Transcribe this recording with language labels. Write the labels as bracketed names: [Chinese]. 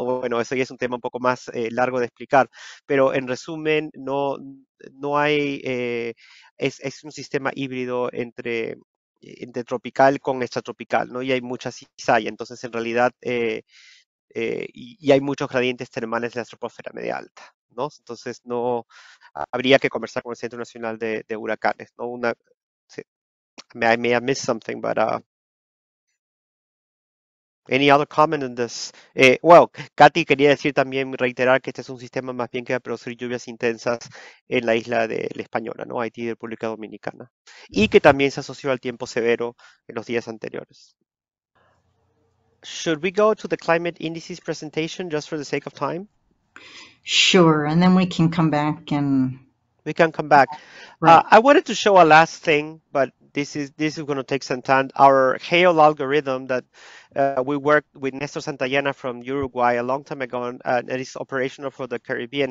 [Spanish] Bueno, eso ya es un tema un poco más largo de explicar, pero en resumen, no hay, es un sistema híbrido entre tropical con extratropical, ¿no? Y hay mucha cizalla, entonces en realidad, y hay muchos gradientes termales de la troposfera media alta, ¿no? Entonces no habría que conversar con el Centro Nacional de Huracanes, ¿no? [English] I may have missed something, but any other comment on this? [Spanish] Kathy quería decir también, reiterar que este es un sistema más bien que va a producir lluvias intensas en la isla de la Española, ¿no? Haití, República Dominicana. Y que también se asoció al tiempo severo en los días anteriores. [English] Should we go to the climate indices presentation just for the sake of time? Sure, and then we can come back and... We can come back. Right. I wanted to show a last thing, but this is going to take some time. Our hail algorithm that we worked with Nestor Santayana from Uruguay a long time ago, and it is operational for the Caribbean.